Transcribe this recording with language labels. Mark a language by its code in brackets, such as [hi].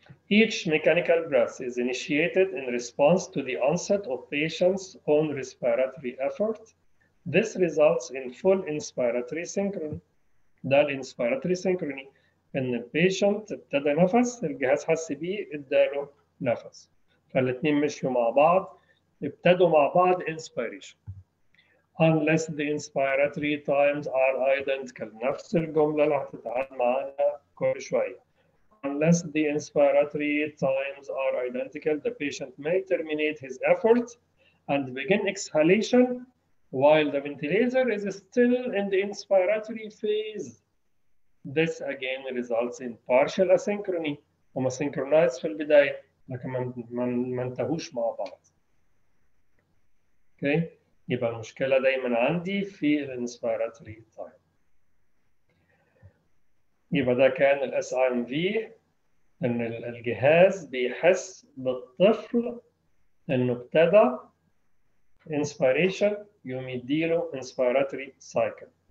[en] Each mechanical breath is initiated in response to the onset of patient's own respiratory effort. This results in full inspiratory synchrony. [ar] ده الانسبيراتوري سينكروني، ان البيشنت ابتدى نفس، الجهاز حس بيه، اداله نفس. فالاثنين مشوا مع بعض، ابتدوا مع بعض inspiration. [en] Unless the inspiratory times are identical. [ar] نفس الجملة اللي هتتعاد معانا كل شوية. [en] Unless the inspiratory times are identical, the patient may terminate his effort and begin exhalation while the ventilator is still in the inspiratory phase. This again results in partial asynchrony. [ar] وما synchronize في البداية، لكن ما انتهوش مع بعض. [en] Okay. [ar] يبقى المشكلة دايما عندي في الانسبيراتوري تايم. يبقى ده كان الـ SIMV، ان الجهاز بيحس بالطفل انه ابتدى انسبيريشن، يوم يديله انسبيراتوري سايكل.